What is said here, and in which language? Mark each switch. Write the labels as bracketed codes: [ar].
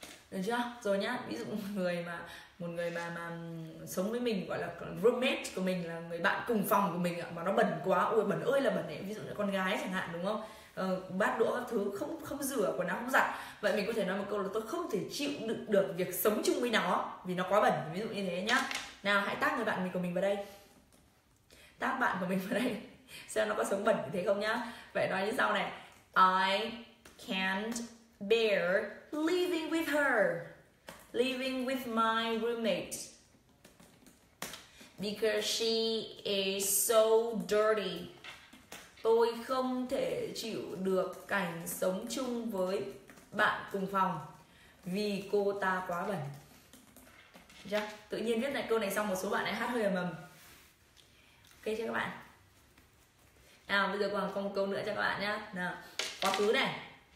[vi] Được chưa? Rồi nhá, ví dụ một người mà sống với mình, gọi là roommate của mình, là người bạn cùng phòng của mình mà nó bẩn quá, ôi bẩn ơi là bẩn ấy, ví dụ như con gái chẳng hạn, đúng không? Bát đũa các thứ không rửa, quần áo không giặt. Vậy mình có thể nói một câu là tôi không thể chịu đựng được việc sống chung với nó vì nó quá bẩn, ví dụ như thế nhá. Nào, hãy tag người bạn mình của mình vào đây. Tag bạn của mình vào đây. Xem nó có sống bẩn như thế không nhá. Vậy nói như sau này. [en] I can't bear living with her, living with my roommate, because she is so dirty. [vi] Tôi không thể chịu được cảnh sống chung với bạn cùng phòng vì cô ta quá bẩn. Yeah. Tự nhiên viết lại câu này xong một số bạn lại hát hơi ầm ầm. Ok chưa các bạn? Nào, bây giờ còn một câu nữa cho các bạn nhá. Nào, quá khứ này.